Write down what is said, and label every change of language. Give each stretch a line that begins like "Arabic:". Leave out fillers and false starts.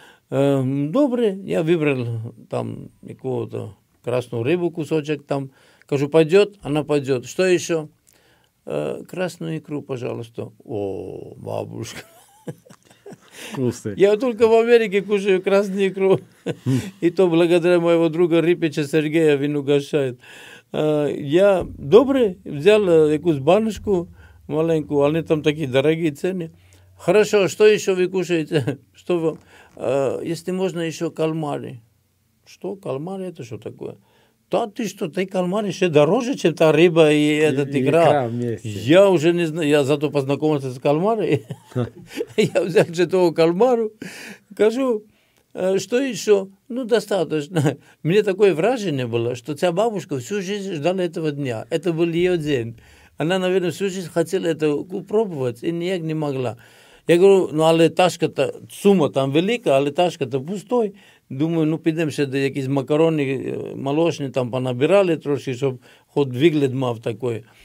Russian: Добре, я выбрал там какую-то красную рыбу, кусочек там. Кажу, пойдет? Она пойдет. Что еще? Красную икру, пожалуйста. О, бабушка. Вкусный. Я только в Америке кушаю красную икру. И то благодаря моего друга Рипича Сергея он угощает.
Ukrainian: Я добре взял якусь баночку маленькую, але там такі дорогі ціни. Хорошо, що ще ви кушаєте? Що вам? Если можна, ще кальмари. Що? Кальмари, це що таке? Та ти що, ти кальмари ще дороже, ніж та риба і ця ікра. Я вже не знаю, я зато познайомився з кальмари. Я взяв ще того кальмару, кажу...
Russian: Что еще? Ну, достаточно. Мне такое вражение было, что эта бабушка всю жизнь ждала этого дня. Это был ее день. Она, наверное, всю жизнь хотела это пробовать и никак не могла.
Ukrainian: Я говорю, ну, але ташка-то, сумма там велика, але ташка-то пустой.
Russian: Думаю, ну, пойдем сейчас до каких-то макароны молочные там понабирали трошки, чтобы хоть выгляд мав такой.